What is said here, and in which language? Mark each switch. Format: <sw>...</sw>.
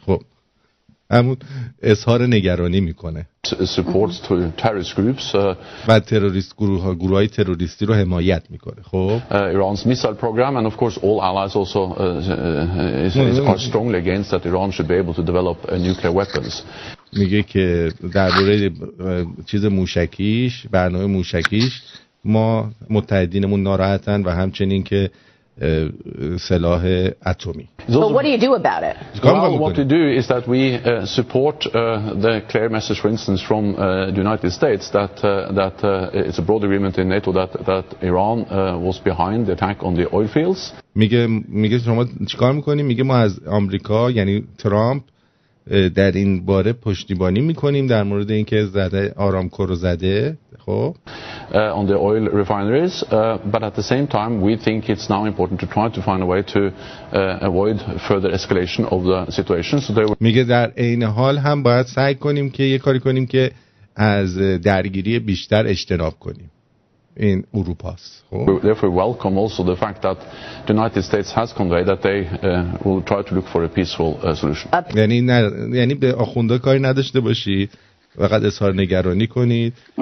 <fa>خب همون اظهار نگرانی میکنه.</fa> <en>Supports to terrorist groups.</en> <fa>و تروریست گروه ها، گروه های تروریستی رو حمایت میکنه. خب.</fa> <en>Iran's missile program and of course all allies also are strongly against that Iran should be able to develop nuclear weapons.</en> <fa>میگه که درباره چیز موشکیش، برنامه موشکیش، ما متحدینمون ناراحتن و همچنین که سلاح اتمی.</fa> <en>So what do you do about it? Well, what we do is that we support the clear message, for instance, from the United States that it's a broad agreement in NATO that Iran was behind the attack on the oil fields.</en> <fa>میگه شما چیکار میکنیم؟ میگه ما از آمریکا یعنی ترامپ در این باره پشتیبانی میکنیم در مورد اینکه زده آرامکو رو زده.</fa> <en>On the oil refineries, but at the same time, we think it's now important to try to find a way to avoid further escalation of the situation. So they</en> <fa>میگه در این حال هم باید سعی کنیم که یه کاری کنیم که از درگیری بیشتر اجتناب کنیم.</fa> <en>In Europe's. Therefore, we welcome also the fact that the United States has conveyed that they will try to look for a peaceful solution.</en> <fa>یعنی به آخوندها کاری نداشته باشی، فقط اظهار نگرانی کنید.</fa>